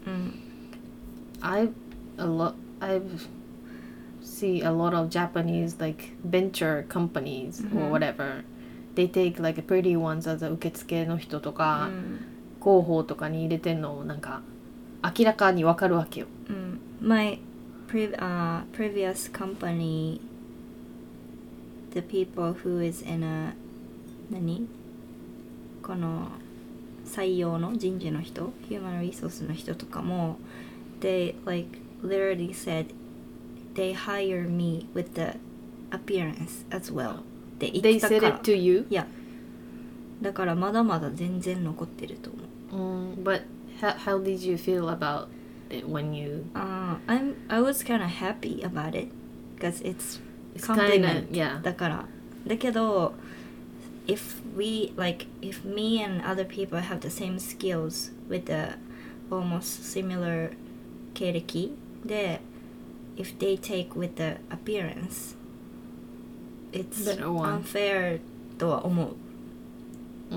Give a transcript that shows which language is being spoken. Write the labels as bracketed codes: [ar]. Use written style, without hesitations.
[en] うんうん、 I've see a lot of Japanese like venture companies or whatever、うん、they take like pretty ones as a [ja] 受付の人とか、うん、広報とかに入れてんのをなんか明らかにわかるわけよ、 [en] うん、My previous companyThe people who is in a [ja] 何この採用の人事の人 [en] human resource の人とかも they like literally said they hire me with the appearance as well [ja] で言ったから [en] they said it to you? [ja] いやだからまだまだ全然残ってると思う、 [en] but how did you feel about it when you I was kind of happy about it because it'sだけど if we like if me and other people have the same skills with the almost similar 経歴で if they take with the appearance it's unfair [ja] とは思う、 [en] mm.